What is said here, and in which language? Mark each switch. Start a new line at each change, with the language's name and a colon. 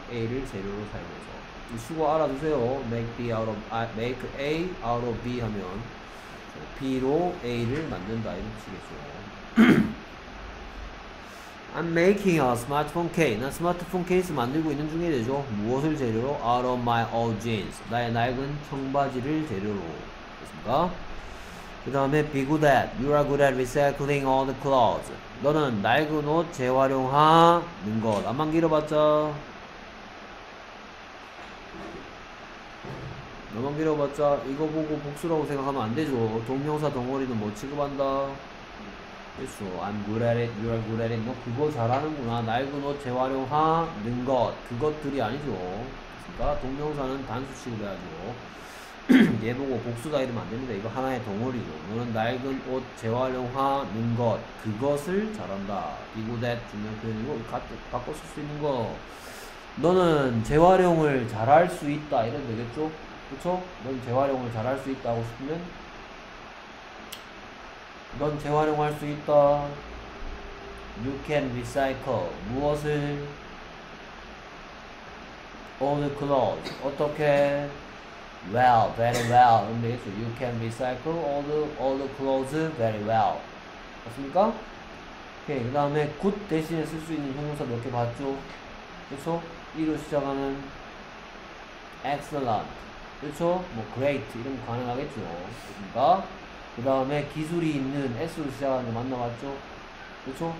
Korean: A를 재료로 사용해서. 이 수거 알아두세요.
English: Make B out of make A out of B
Korean: 하면 B로 A를 만든다 이런 뜻이겠죠.
English: I'm making a smartphone case.
Korean: 난 스마트폰 케이스 만들고 있는 중이 되죠. 무엇을 재료로?
English: Out of my old jeans.
Korean: 나의 낡은 청바지를 재료로. 됐습니까? 그 다음에 be good at.
English: You are good at recycling all the clothes.
Korean: 너는 낡은 옷 재활용하는 것. 안만 길어봤자. 너만 길어봤자 이거 보고 복수라고 생각하면 안 되죠. 동명사 덩어리는 뭐 취급한다?
English: So I'm good at it, you're good at it.
Korean: 너 그거 잘하는구나. 낡은 옷 재활용하는 것. 그것들이 아니죠. 그러니까 동명사는 단수 취급해야죠. 얘 보고 복수다 이러면 안 됩니다. 이거 하나의 덩어리죠. 너는 낡은 옷 재활용하는 것. 그것을 잘한다.
English: Be good at
Korean: 중요한 표현이고, 바꿔 쓸수 있는 거. 너는 재활용을 잘할 수 있다. 이러면 되겠죠? 그쵸? 넌 재활용을 잘할 수 있다 하고 싶으면, 넌 재활용할 수 있다.
English: You can recycle.
Korean: 무엇을
English: old clothes.
Korean: 어떻게?
English: Well, very well.
Korean: 그래서
English: you can recycle old clothes very well.
Korean: 맞습니까? 오케이. 그 다음에 good 대신에 쓸수 있는 형용사 몇개 봤죠? 그래서 이로 시작하는 excellent. 그렇죠? 뭐 great 이런 거 가능하겠죠. 그러니까 그 다음에 기술이 있는 S로 시작하는 거 만나봤죠? 그렇죠?